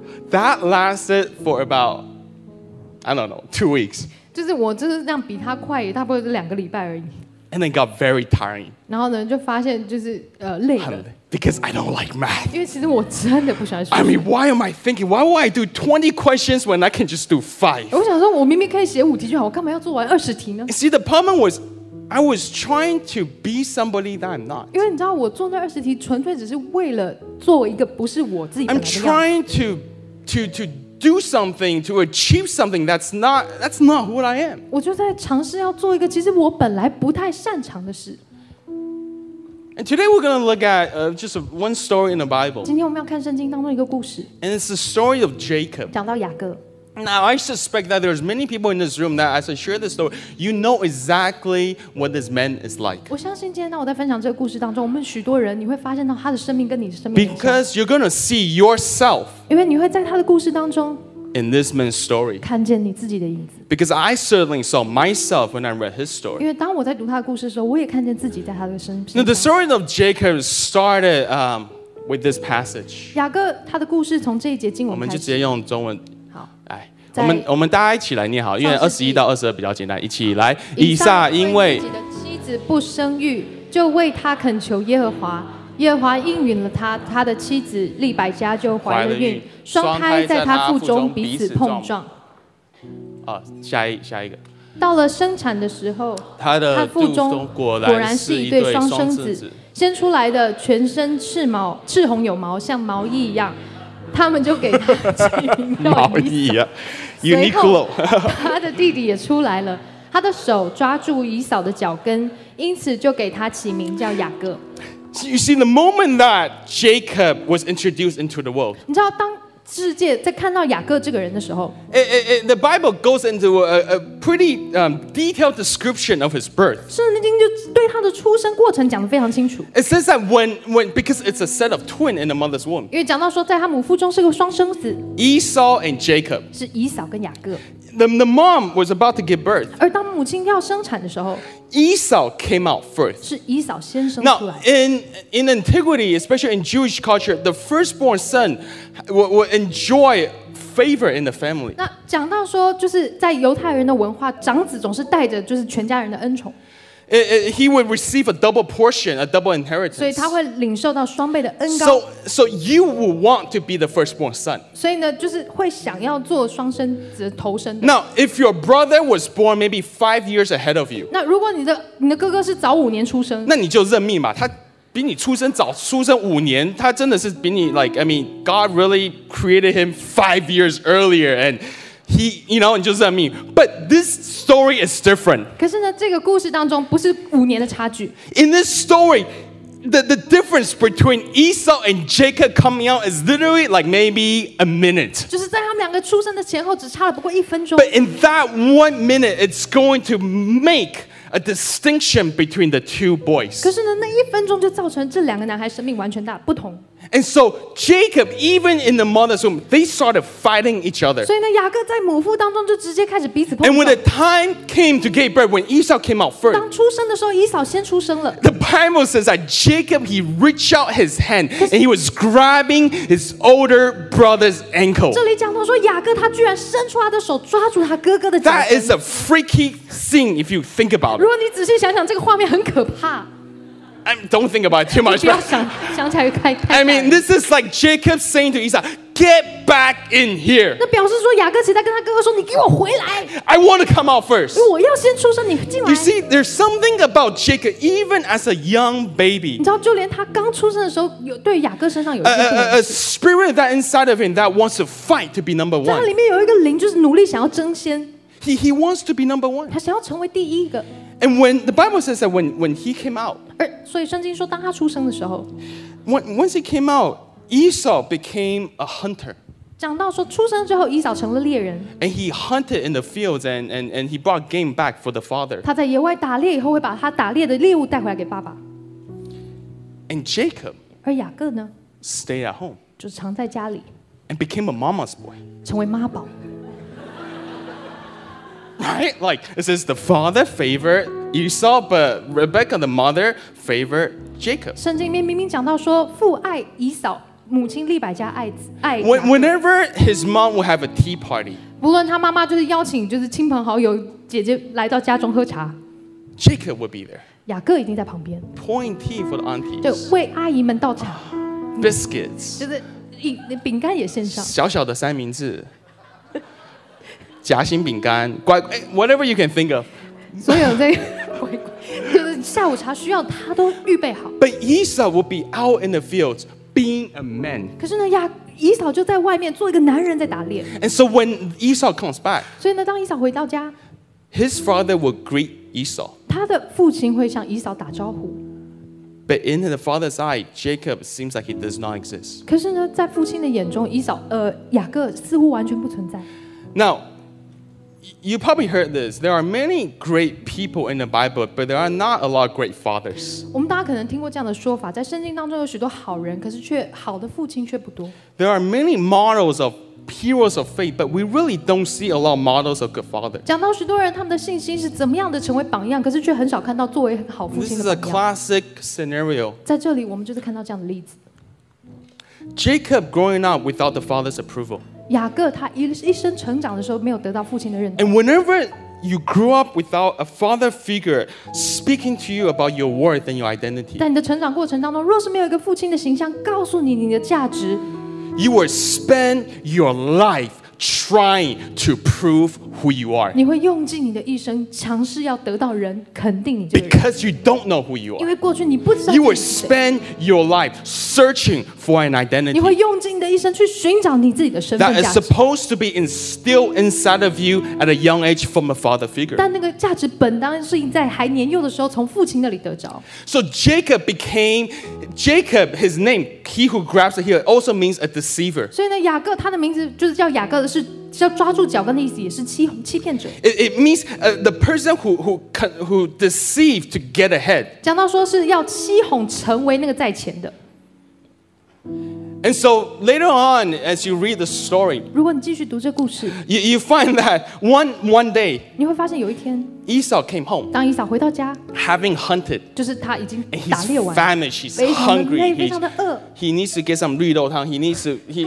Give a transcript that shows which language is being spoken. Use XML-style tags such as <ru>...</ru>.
<en>That lasted for about, I don't know, 2 weeks.</en> <zh>就是我就是这样比他快，差不多是2个礼拜而已。</zh> <en>And then got very tiring.</en> <zh>然后呢，就发现就是累了。</zh> <en>Because I don't like math.</en> <zh>因为其实我真的不喜欢数学。</zh> <en>I mean, why am I thinking? Why would I do 20 questions when I can just do 5?</en> <zh>我想说，我明明可以写5题就好，我干嘛要做完20题呢</zh> <en>？See, the problem was, I was trying to be somebody that I'm not.</en> <zh>因为你知道，我做那二十题纯粹只是为了做一个不是我自己的样子。</zh> <en>I'm trying to. Do something to achieve something that's not what I am.</en> <zh>我就在尝试要做一个其实我本来不太擅长的事。</zh> <en>And today we're going to look at just one story in the Bible.</en> <zh>今天我们要看圣经当中一个故事。</zh> <en>And it's the story of Jacob.</en> <zh>讲到雅各。</zh> <en>Now I suspect that there's many people in this room that as I share this story, you know exactly what this man is like.</en> <zh>我相信今天当我在分享这个故事当中，我们许多人你会发现到他的生命跟你的生命。</zh> <en>Because you're going to see yourself.</en> <zh>因为你会在他的故事当中。</zh> <en>In this man's story.</en> <zh>看见你自己的影子。</zh> <en>Because I certainly saw myself when I read his story.</en> <zh>因为当我在读他的故事的时候，我也看见自己在他的身上。</zh> <en>Now the story of Jacob started with this passage.</en> <zh>雅各他的故事从这一节经文开始。我们就直接用中文。我们大家一起来念好，因为21-22比较简单，一起来。以撒因为自己的妻子不生育，就为他恳求耶和华，耶和华应允了他，他的妻子利百加就怀了孕，双胎在他腹中彼此碰撞。啊，下一个。到了生产的时候，他腹中果然是一对双生子，先出来的全身赤毛，赤红有毛，像毛衣一样。他们就给他起名叫以撒。随后，他的弟弟也出来了，他的手抓住以扫的脚跟，因此就给他起名叫雅各。</zh> <en>You see, the moment that Jacob was introduced into the world,</en> <zh>你知道当世界在看到雅各这个人的时候</zh> <en>The Bible goes into a pretty detailed description of his birth.</en> <zh>圣经就对他的出生过程讲得非常清楚。</zh> <en>It says that when because it's a set of twins in the mother's womb.</en> <zh>因为讲到说在他母腹中是个双生子。</zh> <en>Esau and Jacob.</en> <zh>是以扫跟雅各。</zh> <en>The mom was about to give birth.</en> <zh>而当母亲要生产的时候</zh> <en>Esau came out first.</en> <zh>是以扫先生出来。</zh> <en>Now in antiquity, especially in Jewish culture, the firstborn son will enjoy favor in the family.</en> <zh>那讲到说就是在犹太人的文化，长子总是带着就是全家人的恩宠。</zh> <en>He would receive a double portion, a double inheritance.</en> <zh>所以他会领受到双倍的恩膏。</zh> <en>So you would want to be the firstborn son.</en> <zh>所以呢，就是会想要做双生子头生的。</zh> <en>Now, if your brother was born maybe 5 years ahead of you,</en> <zh>那如果你的哥哥是早五年出生，那你就认命嘛。他比你出生早出生五年，他真的是比你</zh> <en>like I mean, God really created him 5 years earlier and. He, you know, and just that mean. But this story is different.</en> <zh>可是呢，这个故事当中不是五年的差距。</zh> <en>In this story, the difference between Esau and Jacob coming out is literally like maybe a minute.</en> <zh>就是在他们两个出生的前后只差了不过一分钟。</zh> <en>But in that 1 minute, it's going to make a distinction between the two boys.</en> <zh>可是呢，那一分钟就造成这两个男孩生命完全大不同。</zh> <en>And so Jacob, even in the mother's womb, they started fighting each other.</en> <zh>所以呢，雅各在母腹当中就直接开始彼此碰撞。</zh> <en>And when the time came to give birth, when Esau came out first,</en> <zh>当出生的时候，以扫先出生了。</zh> <en>The Bible says that Jacob he reached out his hand and he was grabbing his older brother's ankle.</en> <zh>这里讲到说，雅各他居然伸出他的手抓住他哥哥的脚。</zh> <en>That is a freaky scene if you think about it.</en> <zh>如果你仔细想想，这个画面很可怕。</zh> <en>Don't think about it too much.</en> <zh>不要想想起来太。</zh> <en>I mean, this is like Jacob saying to Esau, "Get back in here."</en> <zh>那表示说雅各其实在跟他哥哥说，你给我回来。</zh> <en>I want to come out first.</en> <zh>我要先出生，你进来。</zh> <en>You see, there's something about Jacob, even as a young baby.</en> <zh>你知道，就连他刚出生的时候，有对雅各身上有</zh> <en>a spirit that inside of him that wants to fight to be number one.</en> <zh>在他里面有一个灵，就是努力想要争先。</zh> <en>He wants to be number one.</en> <zh>他想要成为第一个。</zh> <en>And when the Bible says that when he came out,</en> <zh>而所以圣经说当他出生的时候</zh> <en>once he came out, Esau became a hunter.</en> <zh>讲到说出生之后，以扫成了猎人。</zh> <en>And he hunted in the fields and he brought game back for the father.</en> <zh>他在野外打猎以后，会把他打猎的猎物带回来给爸爸。</zh> <en>And Jacob,</en> <zh>而雅各呢</zh> <en>，stayed at home,</en> <zh>就是常在家里。</zh> <en>And became a mama's boy,</en> <zh>成为妈宝。</zh> <en>Right, like it says, the father favored Esau, but Rebecca, the mother, favored Jacob.</en> <zh>圣经里面明明讲到说，父爱以扫，母亲利百加爱子爱。</zh> <en>Whenever his mom would have a tea party,</en> <zh>不论他妈妈就是邀请就是亲朋好友姐姐来到家中喝茶</zh> <en>，Jacob would be there.</en> <zh>雅各一定在旁边</zh> <en>，pouring tea for the aunties.</en> <zh>对，为阿姨们倒茶。</zh> <en>Biscuits.</en> <zh>就是饼干也献上。小小的三明治。夹心饼干，乖 ，</zh> <en>whatever you can think of，</en> <zh>所有这乖乖，就是下午茶需要他都预备好。</zh> <en>But Esau would be out in the fields being a man.</en> <zh>可是呢，以扫就在外面做一个男人在打猎。</zh> <en>And so when Esau comes back，</en> <zh>所以呢，当以扫回到家</zh> <en>，his father would greet Esau.</en> <zh>他的父亲会向以扫打招呼。</zh> <en>But in the father's eye, Jacob seems like he does not exist.</en> <zh>可是呢，在父亲的眼中，以扫雅各似乎完全不存在。</zh> <en>Now. You probably heard this. There are many great people in the Bible, but there are not a lot of great fathers.</en> <zh>我们大家可能听过这样的说法，在圣经当中有许多好人，可是却好的父亲却不多。</zh> <en>There are many models of heroes of faith, but we really don't see a lot of models of good fathers.</en> <zh>讲到许多人他们的信心是怎么样的成为榜样，可是却很少看到作为好父亲的榜样。</zh> <en>This is a classic scenario.</en> <zh>在这里，我们就是看到这样的例子。</zh> <en>Jacob growing up without the father's approval.</en> <zh>雅各他一生成长的时候没有得到父亲的认同。</zh> <en>And whenever you grew up without a father figure speaking to you about your worth and your identity,</en> <zh>在你的成长过程当中，若是没有一个父亲的形象告诉你你的价值</zh> <en>，you will spend your life trying to prove who you are.</en> <zh>你会用尽你的一生，尝试要得到人肯定你这个人。</zh> <en>Because you don't know who you are.</en> <zh>因为过去你不知道自己是谁。</zh> <en>You will spend your life searching for an identity.</en> <zh>你会用尽你的一生去寻找你自己的身份价值。</zh> <en>That is supposed to be instilled inside of you at a young age from a father figure.</en> <zh>但那个价值本当是应在还年幼的时候从父亲那里得着。</zh> <en>So Jacob became Jacob. His name, he who grabs the heel, also means a deceiver.</en> <zh>所以呢，雅各他的名字就是叫雅各的是。是要抓住脚跟的意思，也是欺骗者。</zh> <en>It means the person who deceive to get ahead.</en> <zh>讲到说是要欺哄成为那个在前的。</zh> <en>And so later on, as you read the story,</en> <zh>如果你继续读这故事</zh> <en>you find that one day,</en> <zh>你会发现有一天</zh> <en>Esau came home,</en> <zh>当以扫回到家</zh> <en>having hunted,</en> <zh>就是他已经打猎完</zh> <en>he's famished, he's hungry,</en> <zh>非常的饿</zh> <en>he needs to get some</en> <zh>绿豆汤</zh> <en>he's</en>